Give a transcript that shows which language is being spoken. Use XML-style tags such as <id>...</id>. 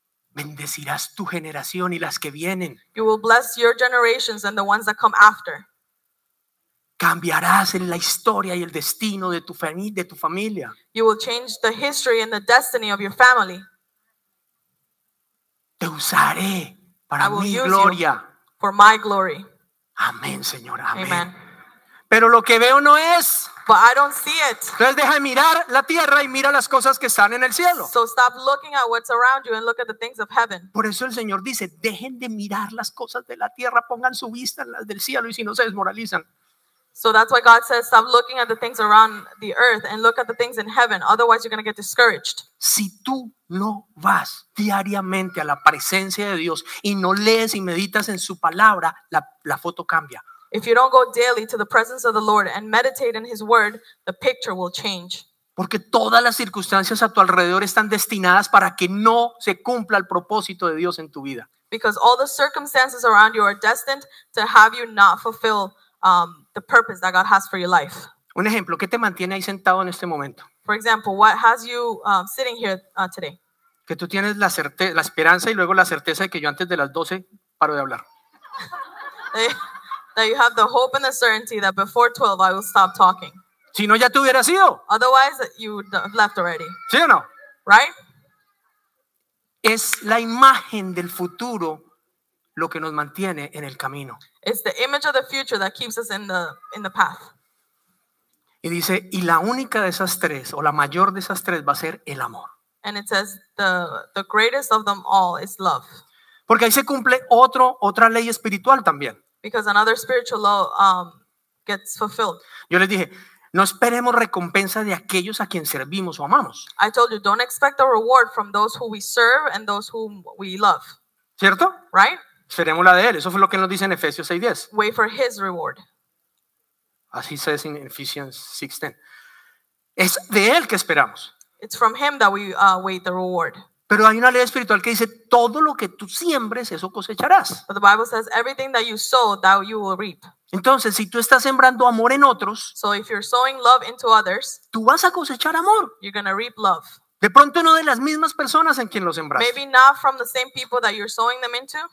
<es>Bendecirás tu generación y las que vienen.</es> <en>You will bless your generations and the ones that come after.</en> <es>Cambiarás en la historia y el destino de tu familia.</es> <en>You will change the history and the destiny of your family.</en> <es>Te usaré para mi gloria.</es> <en>For my glory.</en> <es>Amén, Señor. Amén. Amen. Pero lo que veo no es.</es> <en>But I don't see it.</en> <es>Entonces deja de mirar la tierra y mira las cosas que están en el cielo.</es> <en>So stop looking at what's around you and look at the things of heaven.</en> <es>Por eso el Señor dice, dejen de mirar las cosas de la tierra, pongan su vista en las del cielo y si no se desmoralizan.</es> <en>So that's why God says, stop looking at the things around the earth and look at the things in heaven. Otherwise, you're going to get discouraged.</en> <es>Si tú no vas diariamente a la presencia de Dios y no lees y meditas en su palabra, la foto cambia.</es> <en>If you don't go daily to the presence of the Lord and meditate in his word, the picture will change.</en> <es>Porque todas las circunstancias a tu alrededor están destinadas para que no se cumpla el propósito de Dios en tu vida.</es> <en>Because all the circumstances around you are destined to have you not fulfill the purpose that God has for your life.</en> <es>Un ejemplo, ¿qué te mantiene ahí sentado en este momento?</es> <en>For example, what has you sitting here today?</en> <es>Que tú tienes la esperanza y luego la certeza de que yo antes de las 12 paro de hablar.</es> <en>That you have the hope and the certainty that before 12 I will stop talking.</en> <es>Si no, ya te hubieras ido.</es> <en>Otherwise, you would have left already.</en> <es>¿Sí o no?</es> <en>Right?</en> <es>Es la imagen del futuro lo que nos mantiene en el camino.</es> <en>It's the image of the future that keeps us in the path.</en> <es>Y dice, y la única de esas tres, o la mayor de esas tres, va a ser el amor.</es> <en>And it says, the greatest of them all is love.</en> <es>Porque ahí se cumple otra ley espiritual también.</es> <en>Because another spiritual law gets fulfilled.</en> <es>Yo les dije, no esperemos recompensa de aquellos a quien servimos o amamos.</es> <en>I told you, don't expect a reward from those who we serve and those whom we love.</en> <es>¿Cierto?</es> <en>Right?</en> <es>Esperemos la de él. Eso fue lo que nos dice en Efesios 6:10.</es> <en>Wait for his reward.</en> <es>Así se dice en Ephesians 6:10. Es de él que esperamos.</es> <en>It's from him that we wait the reward.</en> <es>Pero hay una ley espiritual que dice, todo lo que tú siembres, eso cosecharás.</es> <en>But the Bible says, everything that you sow, that you will reap.</en> <es>Entonces, si tú estás sembrando amor en otros,</es> <en>so if you're sowing love into others,</en> <es>tú vas a cosechar amor.</es> <en>You're going to reap love.</en> <es>De pronto no de las mismas personas en quien lo sembraste.</es> <en>Maybe not from the same people that you're sowing them into.</en>